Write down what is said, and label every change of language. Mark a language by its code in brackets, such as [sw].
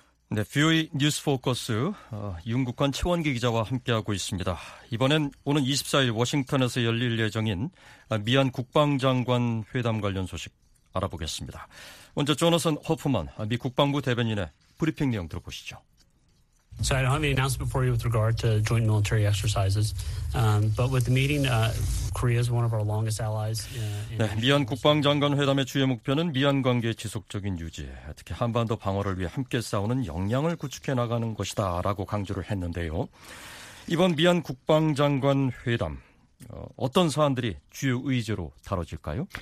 [ko] 네, 뷰의 뉴스 포커스 윤국관 최원기 기자와 함께하고 있습니다. 이번엔 오는 24일 워싱턴에서 열릴 예정인 미한 국방장관 회담 관련 소식 알아보겠습니다. 먼저 조너선 허프먼 미 국방부 대변인의 브리핑 내용 들어보시죠. [en] So I don't have any announcement for you with regard to joint military exercises, but with the meeting, Korea is one of our longest allies. [ko] 네, 미한 국방장관 회담의 주요 목표는 미한 관계의 지속적인 유지, 특히 한반도 방어를 위해 함께 싸우는 역량을 구축해 나가는 것이다라고 강조를 했는데요. 이번 미한 국방장관 회담 어떤 사안들이 주요 의제로 다뤄질까요?